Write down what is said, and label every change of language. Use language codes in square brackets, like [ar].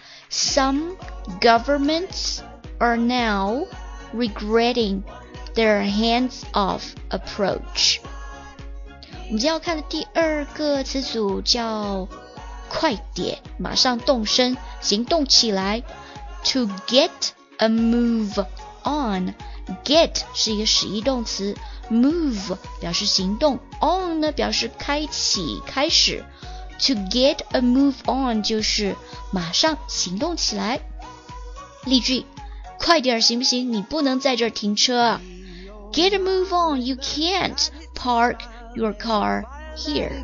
[en] Some governments are now regretting their hands-off approach. [zh] 我们今天要看的第二个词组叫快点，马上动身，行动起来。 [en] To get. A move on. [zh] Get 是一个使役动词， move 表示行动， on 呢表示开启开始。 [en] To get a move on [zh] 就是马上行动起来。例句，快点行不行，你不能在这儿停车。 [en] Get a move on, you can't park your car here.